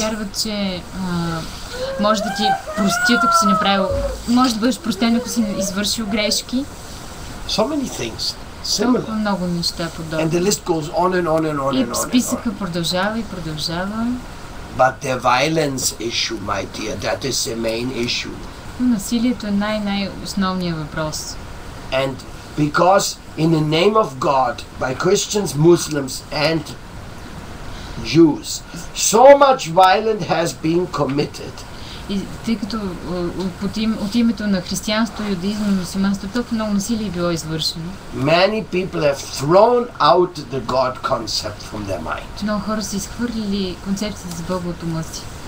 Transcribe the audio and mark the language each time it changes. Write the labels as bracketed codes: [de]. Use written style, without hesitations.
[bg] Вярват, че може да ти простят, ако си направил, може да бъдеш простен, ако си извършил грешки. [en] So many things similar. [bg] Много неща подобни. [en] And the list goes on and on and on and on. [bg] И списъка продължава и продължава. [en] But the violence issue, my dear, that is the main issue. [bg] Насилието е най основният въпрос. [en] And because in the name of God, by Christians, Muslims and Jews, so much violence has been committed. [bg] И тъй като от името на християнство, юдеизм и мюсюлманство, толкова много насилие било извършено. [en] Many people have thrown out the God concept from their mind. [bg] Много хора са изхвърлили концепцията за Бога от ума си.